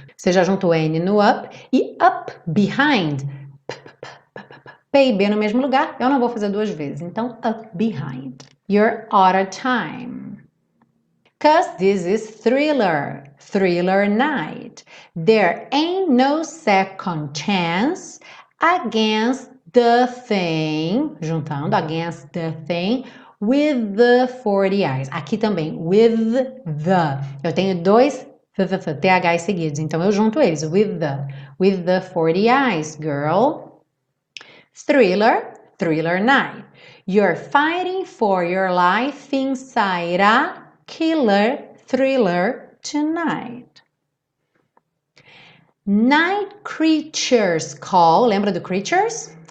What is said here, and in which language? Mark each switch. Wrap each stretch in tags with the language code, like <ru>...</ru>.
<pt>Você já junta o N no up e up behind. P, P, P, P, P, P, P, P, P, P e B no mesmo lugar. Eu não vou fazer duas vezes.</pt> <en>Então, up behind. You're out of time. Cause this is thriller, thriller night. There ain't no second chance against the thing. Juntando, against the thing. With the 40 eyes.</en> <pt>Aqui também,</pt> <en>with the.</en> <pt>Eu tenho dois TH seguidos, então eu junto eles.</pt> <en>With the 40 eyes, girl. Thriller, thriller night. You're fighting for your life inside a killer thriller tonight. Night creatures call.</en> <pt>Lembra do</pt> <en>creatures?</en>